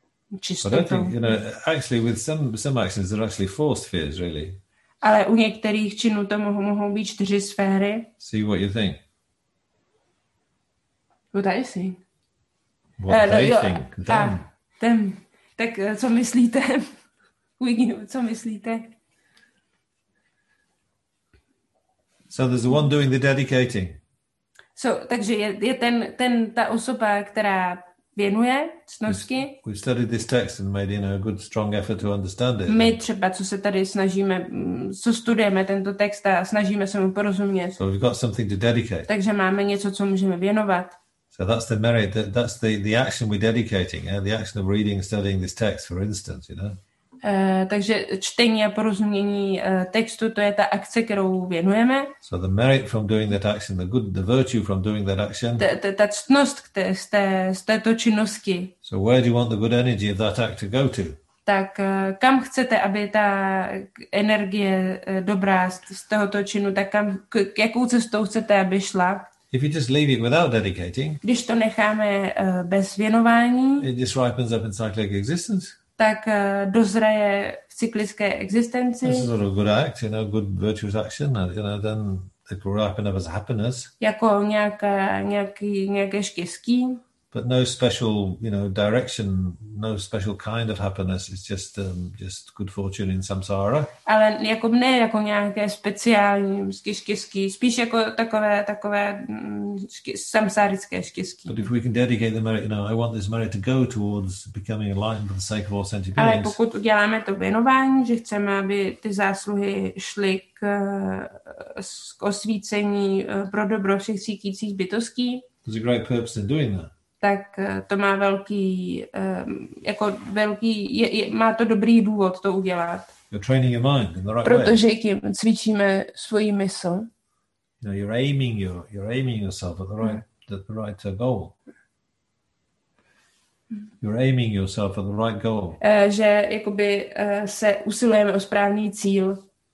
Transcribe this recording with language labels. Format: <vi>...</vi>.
<en>But I don't think, you know, actually with some actions there are actually four spheres really.</en> <cs>Ale u některých činů to mohou být čtyři sféry.</cs> <en>See what you think. What I think. What they think. Them.</en> <cs>Tak co myslíte? Co myslíte?</cs> <en>So there's the one doing the dedicating.</en> <cs>So takže je ten ta osoba, která věnuje cnosti.</cs> <en>We studied this text and made, you know, a good strong effort to understand it.</en> <cs>My třeba, co se tady snažíme, co studujeme tento text a snažíme se mu porozumět.</cs> <en>So we've got something to dedicate.</en> <cs>Takže máme něco, co můžeme věnovat.</cs> <en>So that's the merit, that's the action we're dedicating, yeah? The action of reading, studying this text, for instance, you know.</en> <cs>Takže čtení a porozumění textu, to je ta akce, kterou věnujeme.</cs> <en>So the merit from doing that action, the good, the virtue from doing that action.</en> <cs>Ta ctnost z této činnosti.</cs> <en>So where do you want the good energy of that act to go to?</en> <cs>Tak kam chcete, aby ta energie dobrá z tohoto činu, tak kam, k jakou cestou chcete, aby šla?</cs> <en>If you just leave it without dedicating,</en> <cs>když to necháme bez věnování,</cs> <en>it just ripens up in cyclic existence.</en> <cs>Tak dozraje v cyklické existenci.</cs> <en>This is not a good act, you know, good virtuous action, you know, then it will ripen up as happiness.</en> <cs>Jako nějaké štěstí.</cs> <en>But no special, you know, direction, no special kind of happiness. It's just good fortune in samsara.</en> <cs>Ale jako ne jako nějaké speciální štěstí, spíš jako takové samsarické štěstí.</cs> <en>But if we can dedicate the merit, you know, I want this merit to go towards becoming enlightened for the sake of all sentient beings.</en> <cs>Ale pokud uděláme to věnování, že chceme, aby ty zásluhy šly k osvícení pro dobro všech cítících bytostí.</cs> <en>There's a great purpose in doing that.</en> <cs>Tak to má velký jako velký má to dobrý důvod to udělat.</cs> <en>You're training your mind in the right</en> <cs>protože</cs> <en>way.</en> <cs>Tím cvičíme svoji mysl.</cs> <en>You know, you're aiming yourself at the right goal. You're aiming yourself at the right goal.</en> <cs>Že jakoby se usilujeme o správný cíl.</cs>